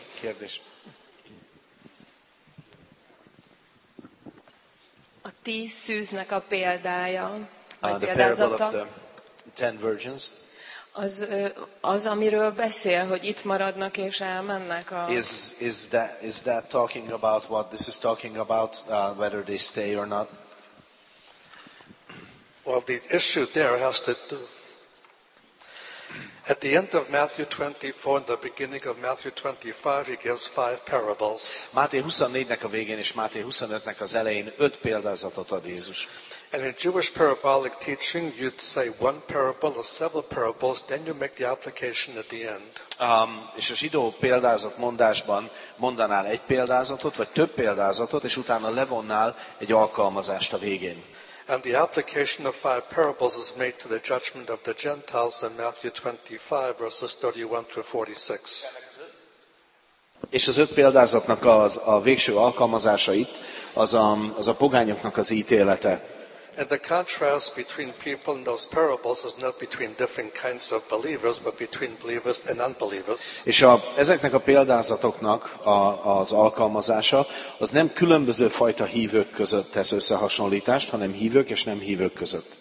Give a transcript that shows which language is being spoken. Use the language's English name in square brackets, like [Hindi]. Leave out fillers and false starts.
[Hungarian] Kérdés. A tíz szűznek a példája, vagy példázata. [English] The parable of the ten virgins. [Hungarian] Az amiről beszél, hogy itt maradnak és elmennek a. [English] Is that talking about what this is talking about, whether they stay or not? Well, the issue there has to do. At the end of Matthew 24 and the beginning of Matthew 25, he gives five parables. [Hungarian] Máté 24-nek a végén és Máté 25-nek az elején öt példázatot ad Jézus. [English] And in Jewish parabolic teaching, you'd say one parable or several parables, then you make the application at the end. [Hungarian] És a zsidó példázatmondásban mondanál egy példázatot, vagy több példázatot, és utána levonnál egy alkalmazást a végén. [English] And the application of five parables is made to the judgment of the Gentiles in Matthew 25 verses 31 through 46. [Hungarian] És az öt példázatnak a végső alkalmazása itt az a pogányoknak az ítélete. [English] And the contrast between people in those parables is not between different kinds of believers, but between believers and unbelievers. [Hungarian] És ezeknek a példázatoknak az alkalmazása az nem különböző fajta hívők között tesz összehasonlítást, hanem hívők és nem hívők között.